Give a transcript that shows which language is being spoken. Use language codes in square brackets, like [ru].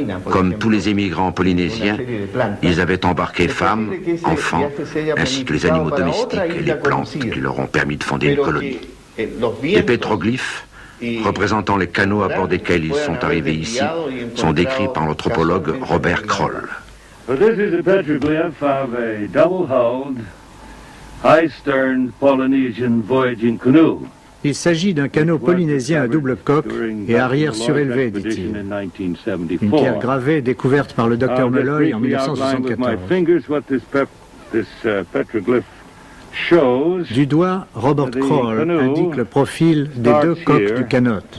[fr] Comme tous les émigrants polynésiens, ils avaient embarqué femmes, enfants, ainsi que les animaux domestiques et les plantes qui leur ont permis de fonder une colonie. Les pétroglyphes, représentant les canaux à bord desquels ils sont arrivés ici, sont décrits par l'anthropologue Robert Kroll. [en] But this is a petroglyph of a double-hulled, high-stern Polynesian voyaging canoe. [fr] Il s'agit d'un canot polynésien à double coque et arrière surélevé, dit-il. Une pierre gravée découverte par le docteur Molloy en 1974. Du doigt, Robert Kroll indique le profil des deux coques du canot.